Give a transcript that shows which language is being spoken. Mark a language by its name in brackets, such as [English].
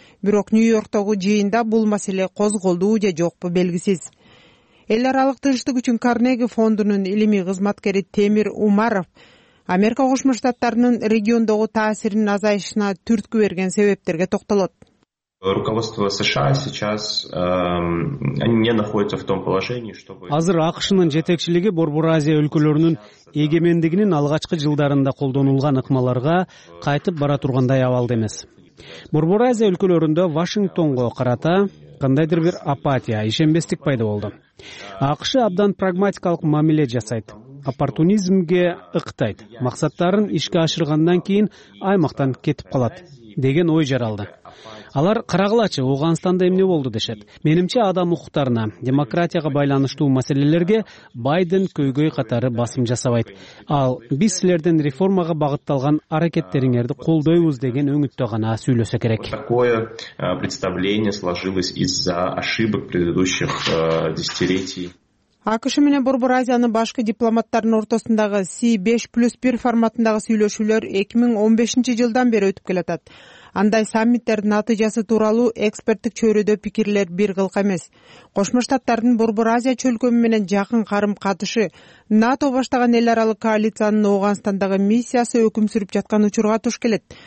[Kyrgyz] Бирок Нью-Йорктогу жыйында бул маселе козголдубу же жокпу белгисиз. Эл аралык тынчтык үчүн Карнеги фондунун илимий кызматкери Темир Умаров Америка Кошмо Штаттарынын региондогу таасиринин азайышына түрткү берген себептерге токтолот. [Russian] Руководство США сейчас не находится в том положении, чтобы [Kyrgyz] Азыр АКШнын жетекчилиги Борбор Азия өлкөлөрүнүн эгемендигинин алгачкы жылдарында колдонулган ыкмаларга кайтып бара тургандай абалда эмес. Борбор Азия өлкөлөрүндө Вашингтонго карата кандайдыр бир апатия, ишенбестик пайда болду. АКШ абдан прагматикалык мамиле жасайт. Оппортунизмге ыктайт. Максаттарын ишке ашыргандан кийин аймактан кетип калат деген ой жаралды. Алар карагылачы Ооганстанда эмне болду дешет. Менимче адам укуктарына, демократияга байланыштуу маселелерге Байден көйгөй катары басым жасабайт. Ал биз силердин реформага багытталган аракеттериңерди колдойбуз деген өңүттө гана сүйлөсө керек. [Russian] Такое представление сложилось из-за ошибок предыдущих десятилетий. [Kyrgyz] АКШ менен Борбор Азиянын башкы дипломаттарынын ортосундагы C5+1 форматындагы сүйлөшүүлөр 2015 жылдан бери өтүп келатат. Андай саммиттердин натыйжасы тууралуу эксперттик чөйрөдө пикирлер бир кылка эмес. Кошмо Штаттардын Борбор Азия чөлкөмү менен жакын карым катышы, НАТО баштаган эл аралык коалициянын Ооганстандагы миссиясы өкүм сүрүп жаткан учурга туш келет.